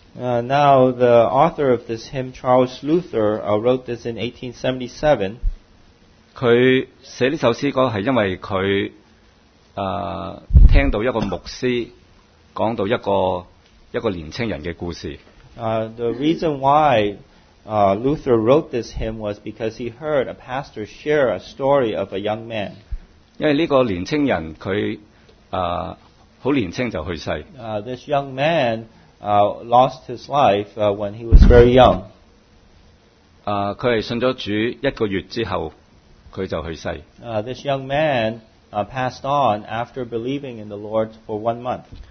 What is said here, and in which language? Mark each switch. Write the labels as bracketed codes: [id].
[en] Now the author of this hymn, Charles Luther, wrote this in 1877. [zh] 他写这首诗歌是因为他听到一个牧师讲到一个年轻人的故事。 [en] The reason why Luther wrote this hymn was because he heard a pastor share a story of a young man. [zh] 因為這個年輕人他很年輕就去世。 [en] This young man lost his life when he was very young. [zh] 他是信了主一個月之後他就去世。 [en] This young man passed on after believing in the Lord for 1 month.